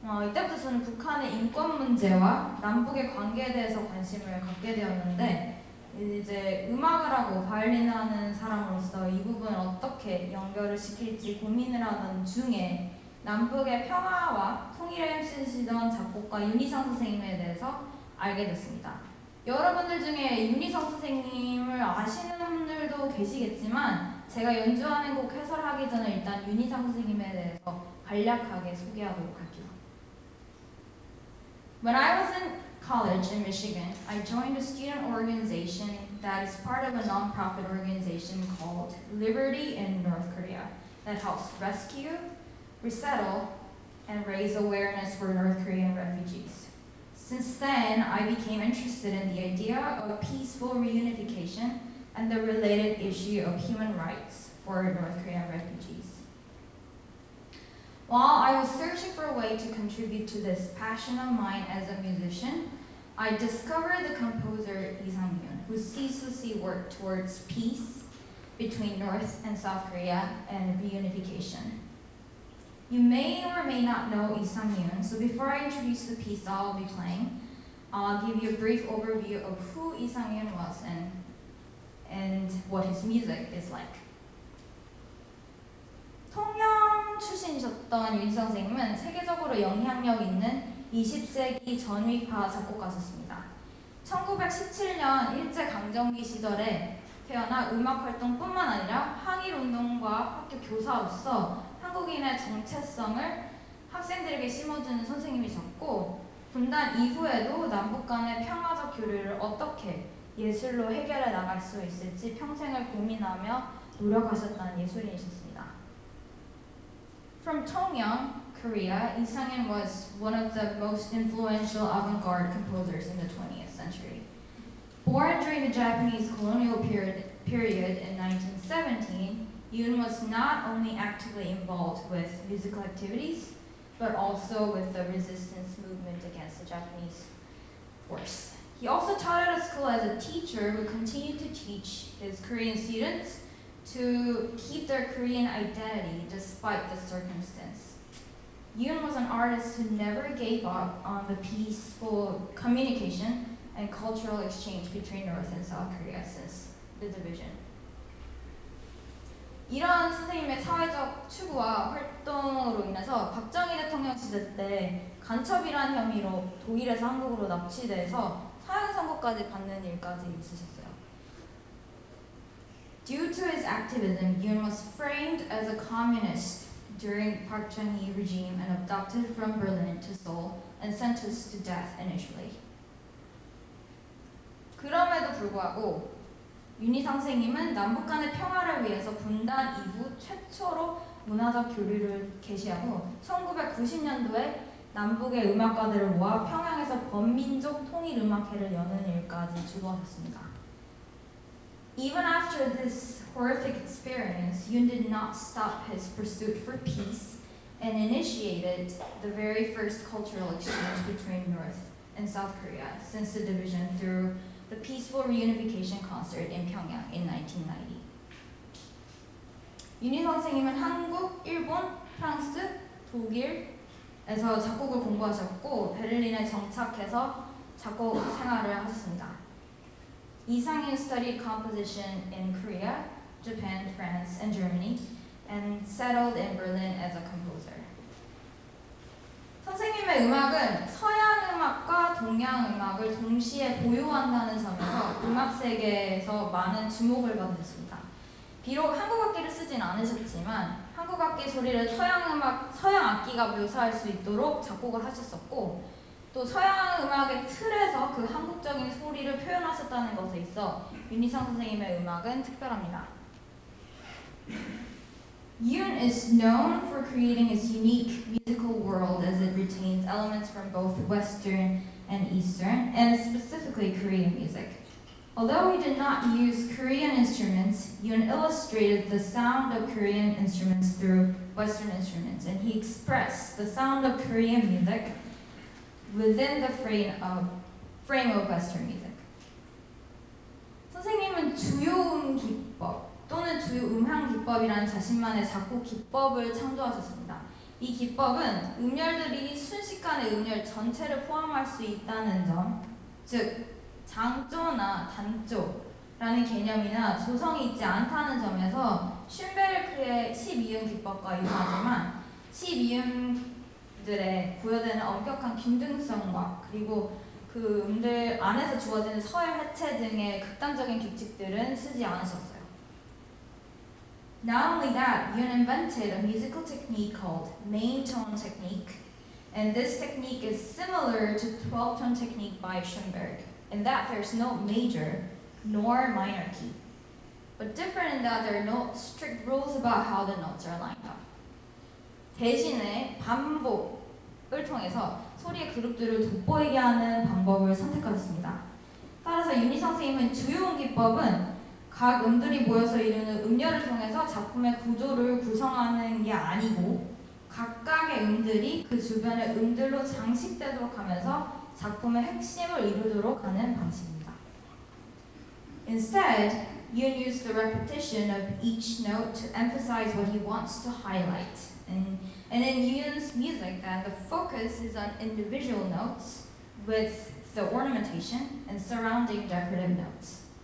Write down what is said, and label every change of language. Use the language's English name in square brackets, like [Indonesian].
[Korean] 이때부터 저는 북한의 인권 문제와 남북의 관계에 대해서 관심을 갖게 되었는데 이제 음악을 하고 바이올린을 하는 사람으로서 이 부분을 어떻게 연결을 시킬지 고민을 하던 중에 남북의 평화와 통일을 힘쓰시던 작곡가 윤희성 선생님에 대해서 알게 됐습니다. 여러분들 중에 윤희성 선생님을 아시는 분들도 계시겠지만 제가 연주하는 곡 해설하기 전에 일단 윤희상 선생님에 대해서 간략하게 소개하도록 할게요. [English] When I was in college in Michigan, I joined a student organization that is part of a non-profit organization called Liberty in North Korea that helps rescue, resettle, and raise awareness for North Korean refugees. Since then, I became interested in the idea of peaceful reunification and the related issue of human rights for North Korean refugees. While I was searching for a way to contribute to this passion of mine as a musician, I discovered the composer Lee Sang-yoon, who ceaselessly worked towards peace between North and South Korea and reunification. You may or may not know Lee Sang-yoon, so before I introduce the piece I'll be playing, I'll give you a brief overview of who Lee Sang-yoon was and what his music is like. [Korean] 통영 출신이셨던 윤 선생님은 세계적으로 영향력 있는 20세기 전위파 작곡가셨습니다. 1917년 일제강점기 시절에 태어나 음악 활동뿐만 아니라 항일운동과 학교 교사로서 한국인의 정체성을 학생들에게 심어주는 선생님이셨고, 분단 이후에도 남북 간의 평화적 교류를 어떻게 예술로 해결해 나갈 수 있을지 평생을 고민하며 노력하셨다는 예술인이셨습니다. [English] From 통영, Korea, Lee Sang-yoon was one of the most influential avant-garde composers in the 20th century. Born during the Japanese colonial period in 1917, Yoon was not only actively involved with musical activities, but also with the resistance movement against the Japanese force. He also taught at a school as a teacher who continued to teach his Korean students to keep their Korean identity despite the circumstance. Yoon was an artist who never gave up on the peaceful communication and cultural exchange between North and South Korea since the division. [Korean] 이런 선생님의 사회적 추구와 활동으로 인해서 박정희 대통령 시절 때 간첩이라는 혐의로 독일에서 한국으로 납치돼서 사형 선고까지 받는 일까지 있으셨어요. [English] Due to his activism, Yoon was framed as a communist during Park Chung-hee regime and abducted from Berlin to Seoul and sentenced to death initially. [Korean] 그럼에도 불구하고 윤희 선생님은 남북 간의 평화를 위해서 분단 이후 최초로 문화적 교류를 개시하고 1990년도에 남북의 음악가들을 모아 평양에서 범민족 통일 음악회를 여는 일까지 주도하셨습니다. [English] Even after this horrific experience, Yoon did not stop his pursuit for peace and initiated the very first cultural exchange between North and South Korea since the division through the Peaceful Reunification Concert in Pyongyang in 1990. [Korean] 윤희 선생님은 한국, 일본, 프랑스, 독일에서 작곡을 공부하셨고 베를린에 정착해서 작곡 생활을 하셨습니다. [English] 이상윤 studied composition in Korea, Japan, France, and Germany, and settled in Berlin as a composer. [Korean] 선생님의 음악은 서양 음악과 동양 음악을 동시에 보유한다는 점에서 음악 세계에서 많은 주목을 받았습니다. 비록 한국 악기를 쓰진 않으셨지만 한국 악기 소리를 서양 악기가 묘사할 수 있도록 작곡을 하셨었고 또 서양 음악의 틀에서 그 한국적인 소리를 표현하셨다는 것에 있어 윤희상 선생님의 음악은 특별합니다. [English] Yoon is known for creating his unique musical world as it retains elements from both Western and Eastern, and specifically Korean music. Although he did not use Korean instruments, Yoon illustrated the sound of Korean instruments through Western instruments, and he expressed the sound of Korean music within the frame of Western music. [Korean] 선생님은 주요 기법 또는 주요 음향 기법이라는 자신만의 작곡 기법을 창조하셨습니다. 이 기법은 음열들이 순식간에 음열 전체를 포함할 수 있다는 점, 즉 장조나 단조라는 개념이나 조성이 있지 않다는 점에서 슌베르크의 12음 기법과 유사하지만 12음들의 부여되는 엄격한 균등성과 그리고 그 음들 안에서 주어지는 서열 해체 등의 극단적인 규칙들은 쓰지 않으셨어요. [English] Not only that, Yoon invented a musical technique called main tone technique, and this technique is similar to 12-tone technique by Schoenberg, in that there's no major nor minor key, but different in that there are no strict rules about how the notes are lined up. [Korean] 대신에 반복을 통해서 소리의 그룹들을 돋보이게 하는 방법을 선택하셨습니다. 따라서 윤희 선생님은 주요 음 기법은 각 음들이 모여서 이루는 음열을 통해서 작품의 구조를 구성하는 게 아니고 각각의 음들이 그 주변의 음들로 장식되도록 하면서 작품의 핵심을 이루도록 하는 방식입니다. [English] Instead, Yun used the repetition of each note to emphasize what he wants to highlight. And in Yun's music, that the focus is on individual notes with the ornamentation and surrounding decorative notes.